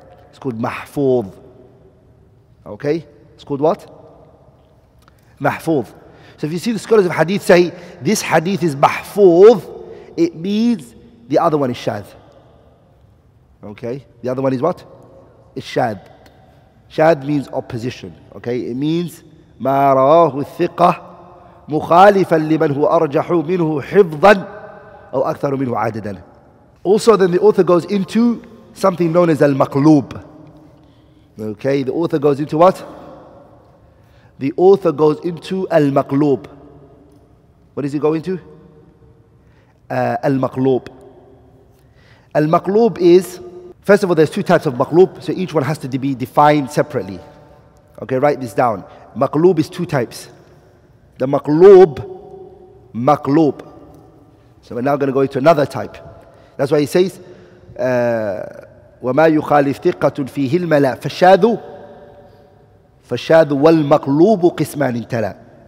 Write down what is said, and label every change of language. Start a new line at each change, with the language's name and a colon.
English: It's called Mahfuz. Okay? It's called what? Mahfuz. So if you see the scholars of hadith say, this hadith is Mahfuz, it means the other one is Shadh. Okay? The other one is what? It's Shadh. Shadh means opposition. Okay? It means
Arabic: مَا رَوَاهُ الثِّقَةِ مُخَالِفًا لِمَنْ هُوَ أَرْجَحُ مِنْهُ حِفْظًا أَوْ أَكْثَرُ مِنْهُ عَدَدًا.
English: Also then the author goes into something known as al-maqloob. Okay, the author goes into what? The author goes into al-maqloob. What does he go into? Al-maqloob. Al-maqloob is, first of all, there's two types of maqloob, so each one has to be defined separately. Okay, write this down. Maqloob is two types. The maqloob, maqloob. So we're now going to go into another type. That's why he says,
Arabic: وَمَا يُخَالِفْ ثِقَّةٌ فِيهِ الْمَلَى فَشَّادُ فَشَّادُ وَالْمَقْلُوبُ قِسْمَانِ انْتَلَى.